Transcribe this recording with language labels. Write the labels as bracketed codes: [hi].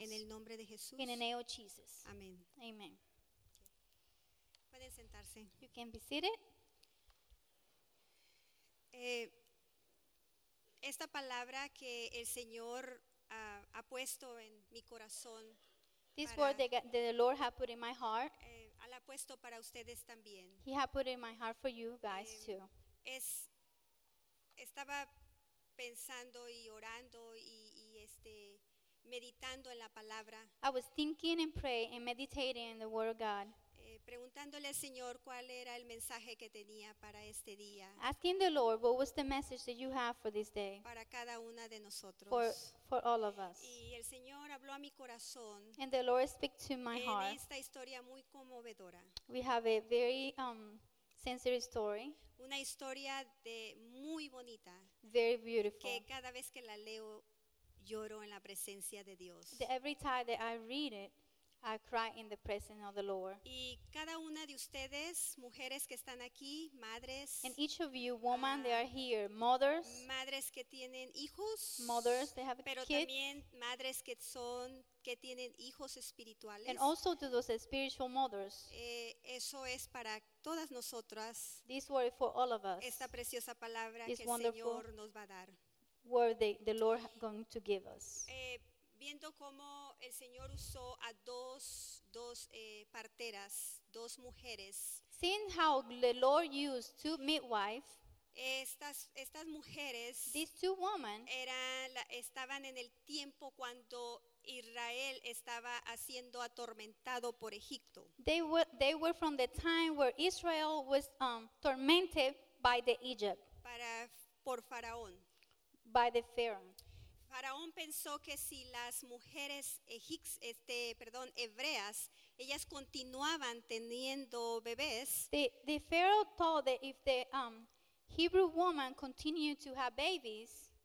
[es] En el nombre de Jesús. [en] In the name of Jesus. [es] Amén. [en] Amen. [es] Pueden sentarse. [en] You can be seated. [es] Esta palabra que el Señor ha puesto en mi corazón. [en] This word that the Lord has put in my heart. [es] La ha puesto para ustedes también. [en] He has put it in my heart for you guys too. [es] Estaba pensando y orando y meditando en la palabra. [en] I was thinking and praying and meditating in the word of God. [es] Preguntándole al Señor cuál era el mensaje que tenía para este día. [en] Asking the Lord what was the message that you have for this day. [es] Para cada una de nosotros. [en] For all of us. [es] Y el Señor habló a mi corazón. [en] And the Lord speak to my heart. [es] En esta historia muy conmovedora. [en] We have a very sincere story. [es] Una historia de muy bonita. [en] Very beautiful. [es] Que cada vez que la leo lloro en la presencia de Dios. [en] That every time that I read it, I cry in the presence of the Lord. [es] Y cada una de ustedes, mujeres que están aquí, madres. [en] And each of you, women, they are here, mothers. [es] Madres que tienen hijos. [en] Mothers, they have [es] pero [en] kids. [es] Pero también madres que son, que tienen hijos espirituales. [en] And also to those spiritual mothers. [es] Eso es para todas nosotras. [en] This word for all of us. [es] Esta preciosa palabra que el Señor nos va a dar. [en] Word that the Lord is going to give us. [es] Viendo cómo el Señor usó a dos parteras, dos mujeres. [en] Seeing how the Lord used two midwives. [es] Estas mujeres. [en] These two women. [es] Estaban en el tiempo cuando Israel estaba siendo atormentado por Egipto. [en] They were from the time where Israel was tormented by the Egypt. [es] Por Faraón. [en] By the Pharaoh. [es] Faraón pensó que si las mujeres hebreas, ellas continuaban teniendo bebés. [en] The Pharaoh thought that if the Hebrew woman continued to have babies,